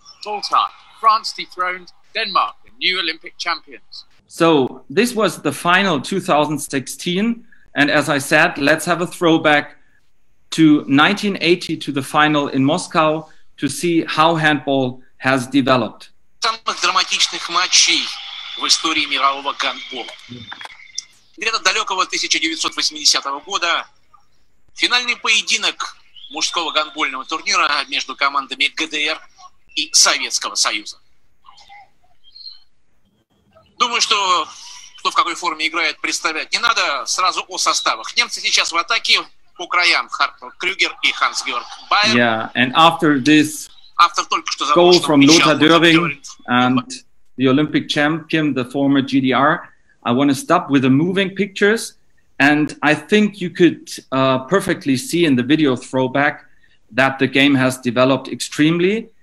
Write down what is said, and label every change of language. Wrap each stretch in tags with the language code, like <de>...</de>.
<en>Full time. France dethroned Denmark, the new Olympic champions. So this was the final 2016. And as I said, let's have a throwback to 1980, to the final in Moscow, to see how handball has developed.</en> <ru>Самых драматичных матчей в истории мирового гандбола. Где-то далекого 1980 года финальный поединок мужского гандбольного турнира между командами ГДР и Советского Союза. Думаю, что кто в какой форме играет, представлять не надо. Сразу о составах. Немцы сейчас в атаке. По краям Хартл Крюгер и Ханс Георг Байер.</ru> <en>Yeah, and after this</en> <ru>after только что</ru> <en>забыл, goal from Lothar Dörving and the Olympic champion, the former GDR, I want to stop with the moving pictures. And I think you could perfectly see in the video throwback that the game has developed extremely.</en>